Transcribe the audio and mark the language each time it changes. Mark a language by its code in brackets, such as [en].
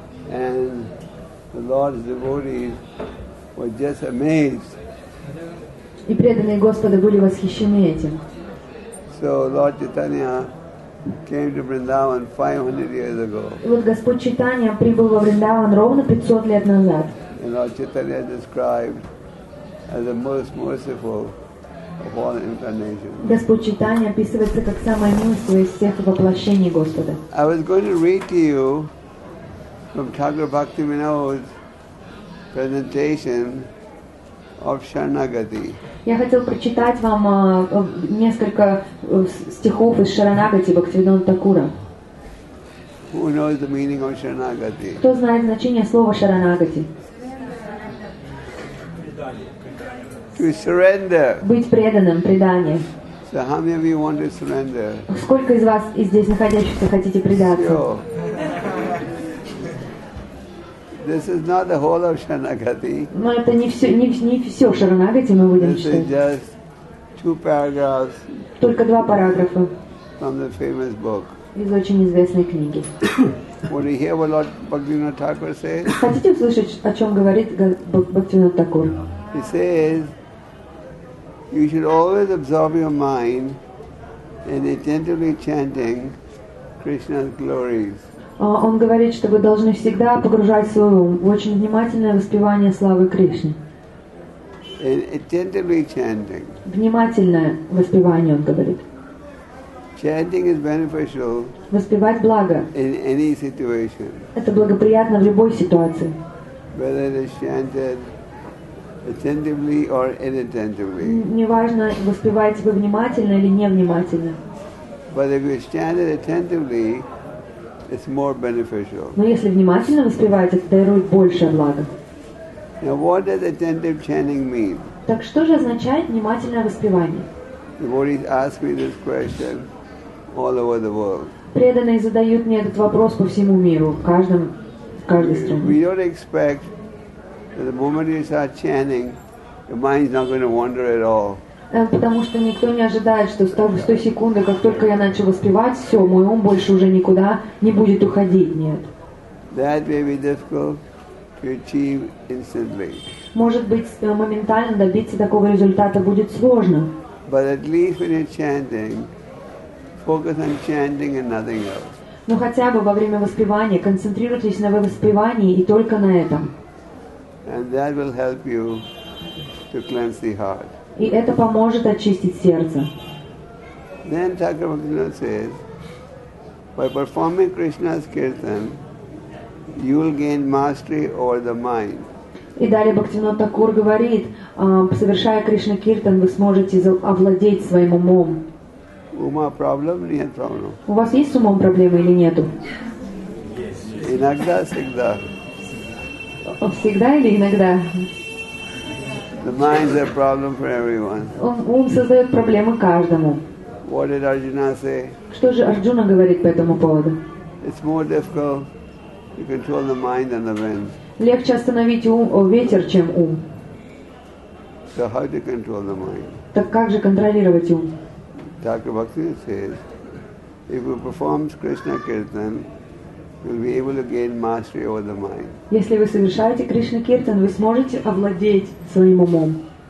[en] And the Lord's devotees were just amazed. [ru] И преданные Господа были восхищены этим. [en] So Lord Chaitanya came to Vrindavan 500 years ago. [ru] И вот Господь Чайтанья прибыл во Вриндаван ровно 500 лет назад. [en] And Lord Chaitanya described as the most merciful of all incarnations. [ru] Господь Чайтанья описывается как самое милостивое из всех воплощений Господа. [en] I was going to read to you from Thakur Bhaktivinoda's presentation of Sharanagati. [ru] Я хотел прочитать вам несколько стихов из Шаранагати Бхактивинода Такура. [en] Who knows the meaning of Sharanagati? [ru] Кто знает значение слова Шаранагати? [en] To surrender. [ru] Быть преданным, предание. [en] So how many of you want to surrender? [ru] Сколько из вас из здесь находящихся хотите предаться? [en] This is not the whole of Sharanagati. [ru] Но это не все Шаранагати мы будем читать. [en] This is just two paragraphs. [ru] Только два параграфа. [en] From the famous book. [ru] Из очень известной книги. [en] Want to hear what Lord Bhaktivinoda Thakur says? [ru] Хотите услышать, о чем говорит Бхактивинода Такур? [en] He says, you should always absorb your mind in attentively chanting Krishna's glories. [ru] Он говорит, что вы должны всегда погружать свой ум в очень внимательное воспевание славы Кришны. [en] In attentively chanting. [ru] Внимательное воспевание, он говорит. [en] Chanting is beneficial. [ru] Воспевать благо. [en] In any situation. [ru] Это благоприятно в любой ситуации. [en] Whether it is chanted attentively or inattentively. [ru] Неважно, воспеваете вы внимательно или невнимательно. [en] But if you stand it attentively, it's more beneficial. [ru] Но если внимательно воспеваете, это дарует большее благо. [en] Now what does attentive chanting mean? [ru] Так что же означает внимательное воспевание? [en] Devotees ask me this question all over the world. [ru] Преданные задают мне этот вопрос по всему миру, в каждой стране. [en] We don't expect the moment you start chanting, your mind is not going to wander at all. [ru] Потому что никто не ожидает, что с той секунды, как только я начал воспевать, все, мой ум больше уже никуда не будет уходить, нет. [en] That may be difficult to achieve instantly. [ru] Может быть, моментально добиться такого результата будет сложно. [en] But at least when you're chanting, focus on chanting and nothing else. [ru] Но хотя бы во время воспевания концентрируйтесь на воспевании и только на этом. [en] And that will help you to cleanse the heart. [ru] И это поможет очистить сердце. [en] Then Thakur Bhaktivinoda says, by performing Krishna's kirtan, you will gain mastery over the mind. [ru] И далее Бхактивинода Такур говорит, совершая Кришна киртан, вы сможете овладеть своим умом. Ума проблем или нет проблем? У вас есть с умом проблемы или нету? Иногда, всегда. Всегда или иногда? [en] The mind is a problem for everyone. [ru] Ум создает проблемы каждому. [en] What did Arjuna say? [ru] Что же Арджуна говорит по этому поводу? [en] It's more difficult to control the mind than the wind. [ru] Легче остановить ум, ветер, чем ум. [en] So how to control the mind? [ru] Так как же контролировать ум? [en] Thakur Bhaktivinoda says, if we perform Krishna kirtan, we'll be able to gain mastery over the mind. [ru] Если вы совершаете Кришна киртан, вы сможете овладеть своим умом.